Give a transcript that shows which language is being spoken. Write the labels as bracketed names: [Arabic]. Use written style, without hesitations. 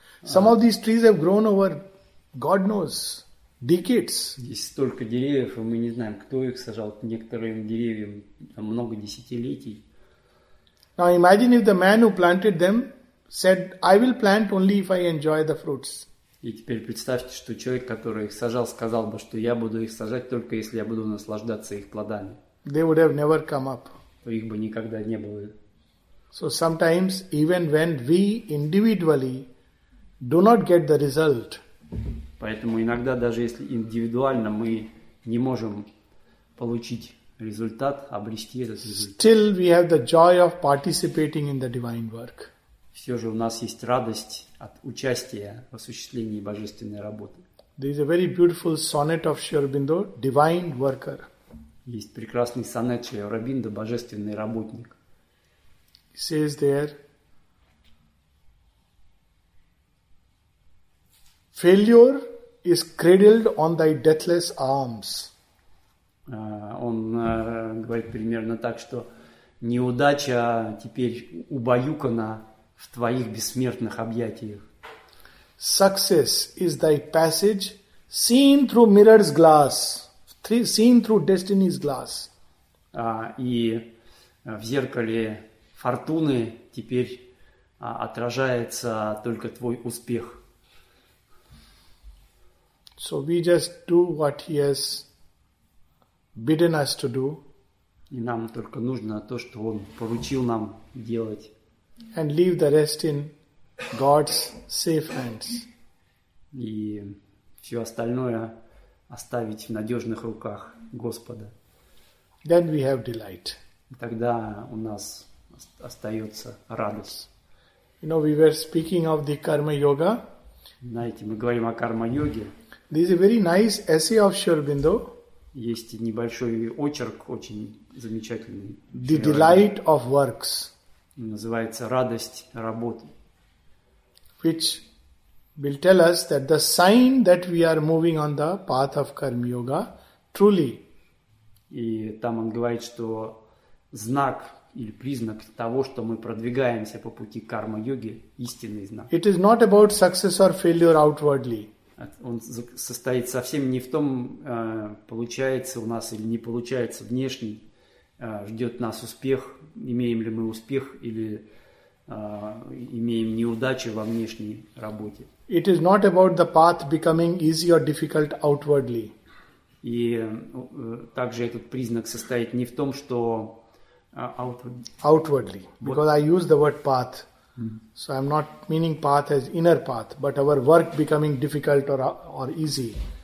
[English] Some of these trees have grown over God knows decades. [Russian] Здесь столько деревьев, и мы не знаем, кто их сажал. Некоторым деревьям много десятилетий. [English] Now imagine if the man who planted them said, I will plant only if I enjoy the fruits. [Russian] И теперь представьте, что человек, который их сажал, сказал бы, что я буду их сажать только если я буду наслаждаться их плодами. [English] They would have never come up. [Russian] То их бы никогда не было. [English] So sometimes, even when we individually do not get the result. [Russian] Поэтому иногда, даже если индивидуально, мы не можем получить результат, обрести этот результат. [English] Still we have the joy of participating in the divine work. [Russian] Все же у нас есть радость от участия в осуществлении божественной работы. [English] There is a very beautiful sonnet of Sri Aurobindo, Divine Worker. [Russian] Есть прекрасный сонет Шри Аурабиндо, Божественный работник. [English] He says there, failure is cradled on thy deathless arms. [Russian] Он говорит примерно так, что неудача теперь убаюкана в твоих бессмертных объятиях. [English] Success is thy passage seen through mirror's glass, seen through destiny's glass. [Russian] И в зеркале фортуны теперь отражается только твой успех. [English] So we just do what he has bidden us to do. [Russian] И нам только нужно то, что он поручил нам делать. [English] And leave the rest in God's safe hands. [Russian] И все остальное оставить в надежных руках Господа. [English] Then we have delight. [Russian] Тогда у нас остается радость. [English] You know, we were speaking of the karma yoga. [Russian] Знаете, мы говорим о карма йоге. [English] There is a very nice essay of Sri Aurobindo. [Russian] Есть небольшой очерк, очень замечательный. [English] The delight of works. [Russian] называется радость работы. [English] Which will tell us that the sign that we are moving on the path of karma yoga truly. [Russian] И там он говорит, что знак или признак того, что мы продвигаемся по пути карма-йоги, истинный знак. [English] It is not about success or failure outwardly. [Russian] Он состоит совсем не в том, получается у нас или не получается внешний, ждет нас успех, имеем ли мы успех или имеем неудачи во внешней работе. [English] It is not about the path becoming easy or difficult outwardly. [Russian] И также этот признак состоит не в том, что [English] outwardly, because I use the word path, so I'm not meaning path as inner path, but our work becoming difficult or easy.